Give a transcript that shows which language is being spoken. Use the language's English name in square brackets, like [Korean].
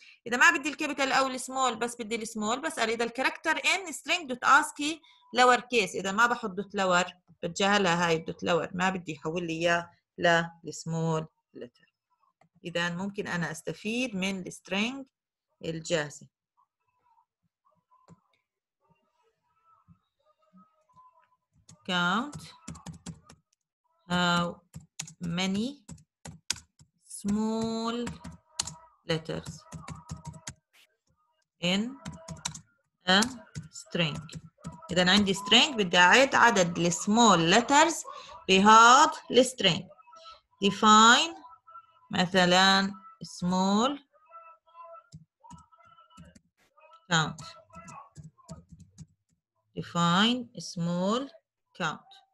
[Arabic] إذا ما بدي الكابيتال أو السمول بس بدي السمول، بسأل إذا الكاركتر إن سترينج دوت ASCII لور كيس، إذا ما بحط دوت لور بتجاهلها هاي دوت لور، ما بدي يحول لي إياه للسمول لتر. إذا ممكن أنا أستفيد من السترينج الجاهزي. [English] count how many small letters in a string. [Arabic] إذا عندي string بدي أعد عدد ال small letters بهاد ال string. [English] define مثلا small count. define small count.